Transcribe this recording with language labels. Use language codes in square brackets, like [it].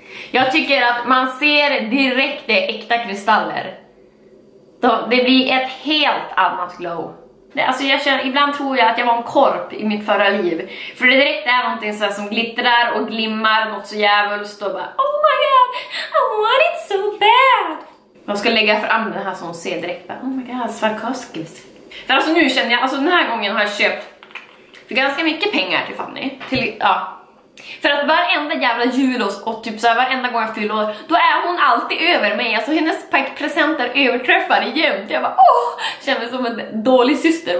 [sv] Jag tycker att man ser direkt det äkta kristaller. Då, det blir ett helt annat glow. Det, alltså jag känner, ibland tror jag att jag var en korp i mitt förra liv. För det direkt är någonting så här som glittrar och glimmar något så jävligt. Och bara, [en] oh my god, I want it so bad. [sv] Jag ska lägga fram den här så hon ser direkt. Bara, [en] oh my god, [sv] Swarovskis. För alltså nu känner jag, alltså den här gången har jag köpt för ganska mycket pengar till Fanny. Till, ja. För att varenda jävla jul och typ så här, varenda gång jag fyller år, då är hon alltid över mig. Alltså hennes presenter överträffar jämt. Jag bara, åh, känner mig som en dålig syster.